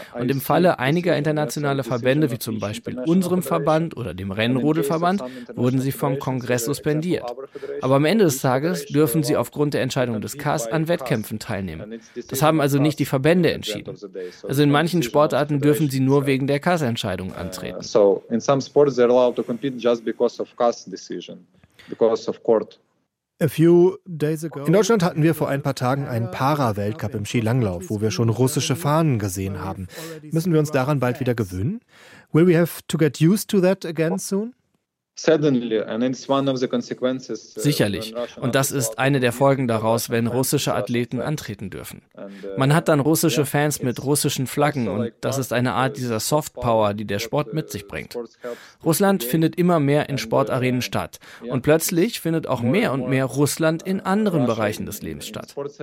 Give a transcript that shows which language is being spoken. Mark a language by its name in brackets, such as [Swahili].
[German] Und im Falle einiger internationaler Verbände, wie zum Beispiel unserem Verband oder dem Rennrodelverband, wurden sie vom Kongress suspendiert. Aber am Ende des Tages dürfen sie aufgrund der Entscheidung des CAS an Wettkämpfen teilnehmen. Das haben also nicht die Verbände entschieden. Also in manchen Sportarten dürfen sie nur wegen der CAS-Entscheidung antreten. [English] So in some sports they're allowed to compete just because of CAS decision, because of court. [German] In Deutschland hatten wir vor ein paar Tagen einen Para-Weltcup im Skilanglauf, wo wir schon russische Fahnen gesehen haben. Müssen wir uns daran bald wieder gewöhnen? [English] Will we have to get used to that again soon? [German] Sicherlich. Und das ist eine der Folgen daraus, wenn russische Athleten antreten dürfen. Man hat dann russische Fans mit russischen Flaggen und das ist eine Art dieser Softpower, die der Sport mit sich bringt. Russland findet immer mehr in Sportarenen statt. Und plötzlich findet auch mehr und mehr Russland in anderen Bereichen des Lebens statt.